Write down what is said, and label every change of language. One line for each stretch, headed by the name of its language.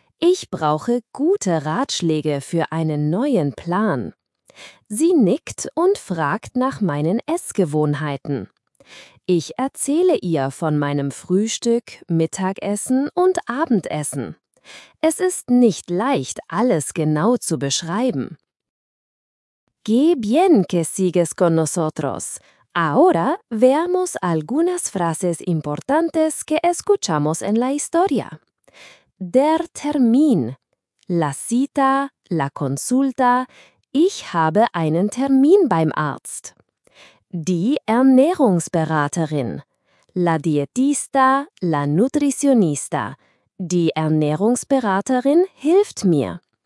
German: Ich brauche gute Ratschläge für einen neuen Plan." Sie nickt und fragt nach meinen Essgewohnheiten. Ich erzähle ihr von meinem Frühstück, Mittagessen und Abendessen. Es ist nicht leicht, alles genau zu beschreiben.
Spanish: ¡Qué bien que sigues con nosotros! Ahora veamos algunas frases importantes que escuchamos en la historia.
German: Der Termin,
Spanish: la cita, la consulta,
German: ich habe einen Termin beim Arzt. Die Ernährungsberaterin,
Spanish: la dietista, la nutricionista,
German: die Ernährungsberaterin hilft mir.